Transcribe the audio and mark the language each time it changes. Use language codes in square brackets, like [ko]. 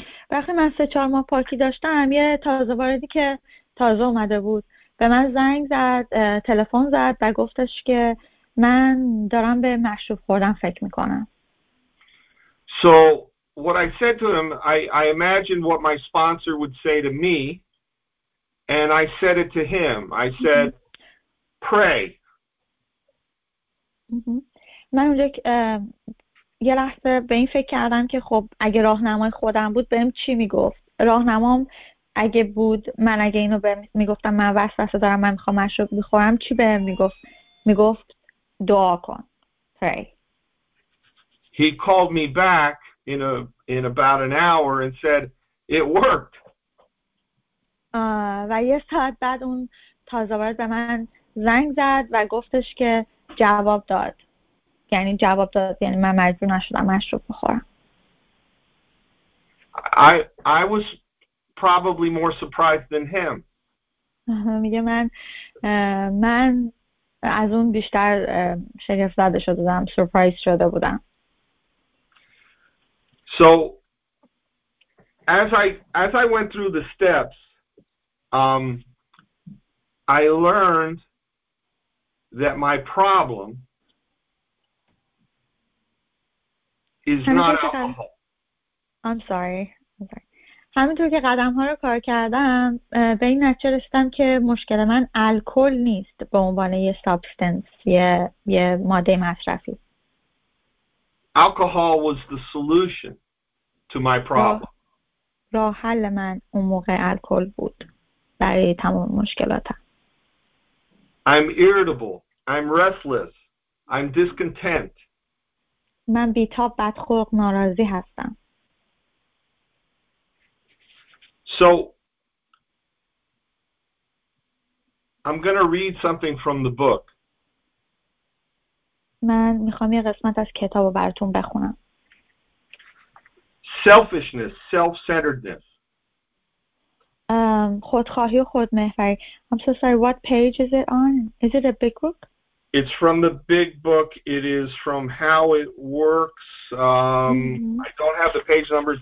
[fa] وقتی من 3-4 ماه پاکی داشتم یه تازه واردی که تازه اومده بود به من زنگ زد تلفن زد و گفتش که من دارم به مشروب خوردن فکر میکنم. [en] So what I said to him, I imagined what my sponsor would say to me, and I said it to him. I said, pray. [fa] من اونجا یه لحظه به این فکر کردم که خب اگه راهنمای خودم بود بهم چی میگفت؟ راهنمام اگه بود من اگه اینو بهم میگفتم من وسوسه دارم من میخوام مشروب بخورم چی بهم میگفت؟ میگفت دعا کن. [en] Pray. He called me back in about an hour and said it worked. [fa] و یه ساعت بعد اون تازه وارد به من زنگ زد و گفتش که جواب داد. یعنی جواب داد یعنی من مجبور نشدم مشروب بخورم. [en] I was probably more surprised than him. [fa] میگه من از اون بیشتر شگفت زده شده بودم، سورپرایز شده بودم. [en] So as I went through the steps, I learned that my problem is not alcohol. I'm sorry. [fa] همینطور که قدم ها رو کار کردم به این نتیجه رسیدم که مشکل من الکل نیست به عنوان یه سابستنس یه ماده مصرفی. [en] Alcohol was the solution to my problem. [fa] راه حل من اون موقع الکل بود برای تمام مشکلاتم. [en] I'm irritable. I'm restless. I'm discontent. [fa] من بیتاب بدخلق ناراضی هستم. [en] So I'm going to read something from the book. [fa] من میخوام یه قسمت از کتابو براتون بخونم. [en] Selfishness, self-centeredness. [fa] خودخواهی و خودمحوری. [en] I'm so sorry, what page is it on? Is it a big book? It's from the big book. It is from How It Works. I don't have the page numbers.